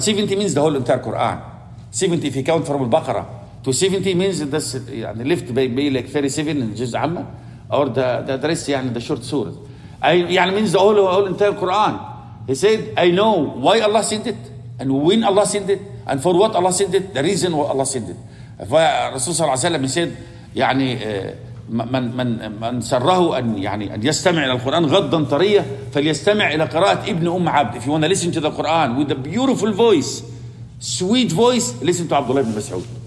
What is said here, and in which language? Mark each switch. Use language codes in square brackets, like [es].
[en] 70 means the whole entire Quran. 70, if you count from Al-Baqarah, to 70 means that's, يعني, lift by like 37 in Juz Amma, or the rest, يعني, the short surah. Means the whole entire Quran. He said, I know why Allah sent it, and when Allah sent it, and for what Allah sent it, the reason why Allah sent it. [ar] Rasul sallallahu alayhi wa sallam, [en] he said, [ar] يعني, من سره أن يعني أن يستمع إلى القرآن غضا طريا فليستمع إلى قراءة ابن أم عبد. [en] If you want to listen to the Quran with a beautiful voice, sweet voice, listen to Abdullah ibn Mas'ud.